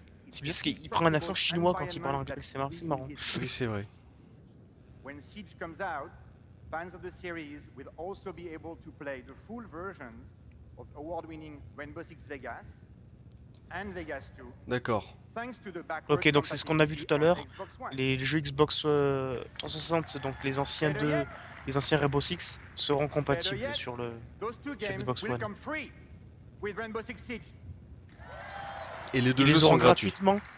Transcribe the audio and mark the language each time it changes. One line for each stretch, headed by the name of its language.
French: C'est bien parce qu'il prend un accent chinois quand il parle anglais, c'est marrant. Oui, c'est vrai.
English: When Siege comes out, fans of the series will also be able to play the full versions of award-winning Rainbow Six Vegas and Vegas 2.
French: D'accord. Ok, donc c'est ce qu'on a vu tout à l'heure. Les jeux Xbox 360, donc les anciens deux, les anciens Rainbow Six, seront compatibles sur le sur Xbox One.
English: With Rainbow Six Siege.
French: Et les deux jeux sont gratuitement.